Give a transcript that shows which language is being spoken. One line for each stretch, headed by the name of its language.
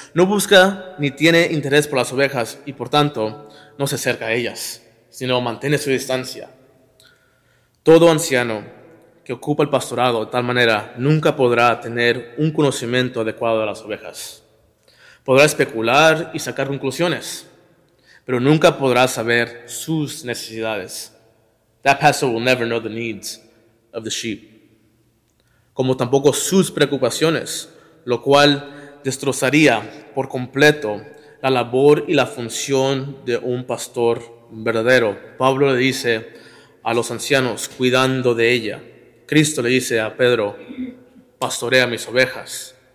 Spanish: No busca ni tiene interés por las ovejas y por tanto no se acerca a ellas, sino mantiene su distancia. Todo anciano que ocupa el pastorado de tal manera nunca podrá tener un conocimiento adecuado de las ovejas. podrá especular y sacar conclusiones, pero nunca podrá saber sus necesidades.
English: That pastor will never know the needs of the sheep.
Spanish: Como tampoco sus preocupaciones, lo cual destrozaría por completo la labor y la función de un pastor verdadero. Pablo le dice a los ancianos, cuidando de ella. Cristo le dice a Pedro, pastorea mis ovejas.